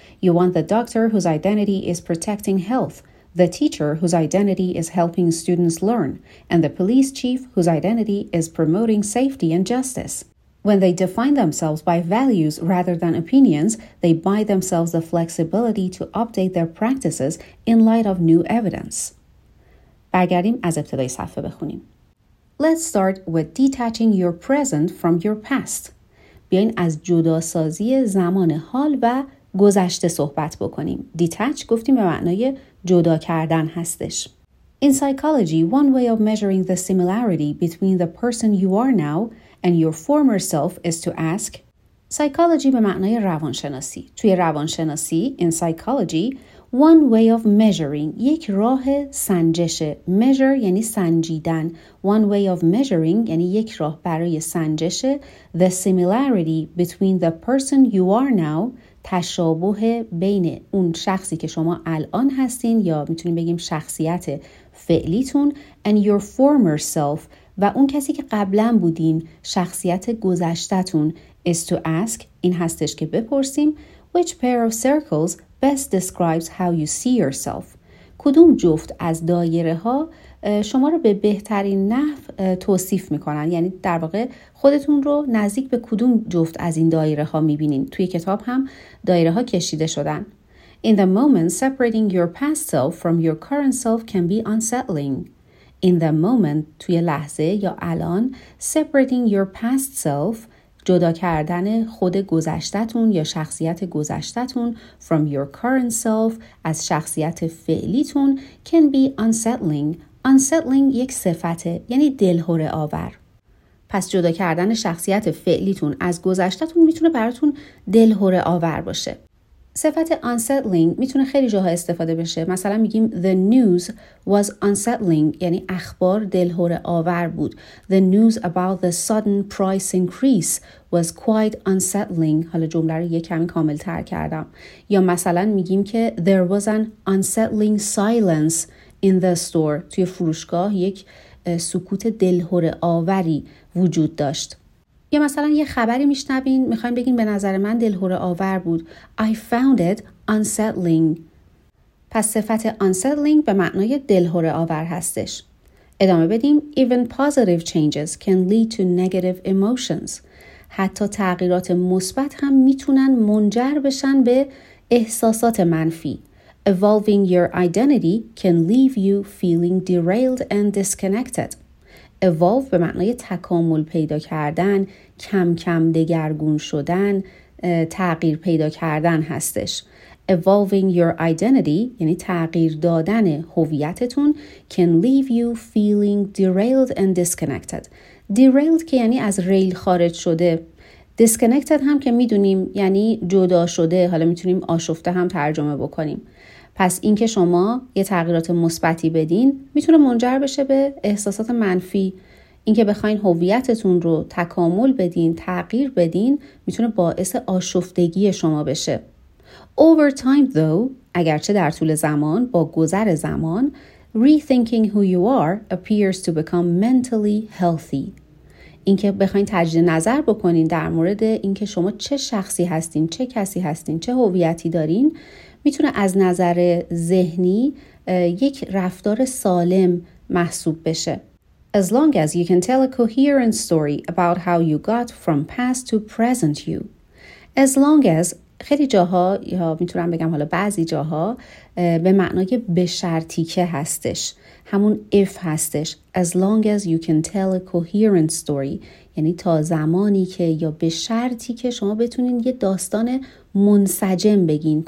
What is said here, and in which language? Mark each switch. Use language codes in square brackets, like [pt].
[en] You want the doctor whose identity is protecting health, the teacher whose identity is helping students learn, and the police chief whose identity is promoting safety and justice. When they define themselves by values rather than opinions, they buy themselves the flexibility to update their practices in light of new evidence. [fa] برگردیم از ابتدای صفحه بخونیم. [en] Let's start with detaching your present from your past. [fa] بیاین از جداسازی زمان حال و گذشته صحبت بکنیم. [en] Detach [fa] گفتیم به معنای جدا کردن هستش. [en] In psychology, one way of measuring the similarity between the person you are now and your former self is to ask. [fa] Psychology به معنای روانشناسی. توی روانشناسی, [en] in psychology, one way of measuring, [fa] یک راه سنجشه. Measure یعنی سنجیدن. [en] One way of measuring [fa] یعنی یک راه برای سنجشه. [en] The similarity between the person you are now, [fa] تشابه بین اون شخصی که شما الان هستین یا میتونیم بگیم شخصیت فعلیتون, [en] and your former self, [fa] و اون کسی که قبلا بودین, شخصیت گذشتتون, [en] is to ask, [fa] این هستش که بپرسیم, [en] which pair of circles best describes how you see yourself. [fa] کدوم جفت از دایره ها شما رو به بهترین نحو توصیف میکنن, یعنی در واقع خودتون رو نزدیک به کدوم جفت از این دایره ها میبینین. توی کتاب هم دایره ها کشیده شدن. [en] In the moment, separating your past self from your current self can be unsettling. In the moment, [fa] توی لحظه یا الان, [en] separating your past self, [fa] جدا کردن خود گذشتتون یا شخصیت گذشتتون, [en] from your current self, [fa] از شخصیت فعلیتون, [en] can be unsettling. Unsettling [fa] یک صفته, یعنی دلهره آور. پس جدا کردن شخصیت فعلیتون از گذشتتون میتونه براتون دلهره آور باشه. صفت unsettling میتونه خیلی جاها استفاده بشه. مثلا میگیم [en] the news was unsettling، [fa] یعنی اخبار دلهره آور بود. [en] The news about the sudden price increase was quite unsettling. [fa] حالا جمله رو یک کمی کامل تر کردم. یا مثلا میگیم که [en] there was an unsettling silence in the store، [fa] توی فروشگاه یک سکوت دلهره آوری وجود داشت. یا مثلا یه خبری میشنوین میخواییم بگین به نظر من دلهره آور بود. [en] I found it unsettling. [fa] پس صفت unsettling به معنای دلهره آور هستش. ادامه بدیم. [en] Even positive changes can lead to negative emotions. [fa] حتی تغییرات مثبت هم میتونن منجر بشن به احساسات منفی. [en] Evolving your identity can leave you feeling derailed and disconnected. Evolve [fa] به معنای تکامل پیدا کردن، کم کم دگرگون شدن، تغییر پیدا کردن هستش. [en] Evolving your identity [fa] یعنی تغییر دادن هویتتون [en] can leave you feeling derailed and disconnected. Derailed [fa] که یعنی از ریل خارج شده. [en] Disconnected [fa] هم که میدونیم یعنی جدا شده، حالا میتونیم آشفته هم ترجمه بکنیم. پس این که شما یه تغییرات مثبتی بدین میتونه منجر بشه به احساسات منفی. این که بخواین هویتتون رو تکامل بدین، تغییر بدین، میتونه باعث آشفتگی شما بشه. [en] Over time though، [fa] اگرچه در طول زمان، با گذر زمان، [en] rethinking who you are appears to become mentally healthy. [fa] این که بخواین تجدید نظر بکنین در مورد این که شما چه شخصی هستین، چه کسی هستین، چه هویتی دارین، میتونه از نظر ذهنی یک رفتار سالم محسوب بشه. [en] As long as you can tell a coherent story about how you got from past to present you. As long as [fa] خیلی جاها یا میتونم بگم حالا بعضی جاها به معنای به شرطی که هستش. همون [en] if [fa] هستش. [en] As long as you can tell a coherent story. [fa] یعنی تا زمانی که یا به شرطی که شما بتونین یه داستان منسجم بگین.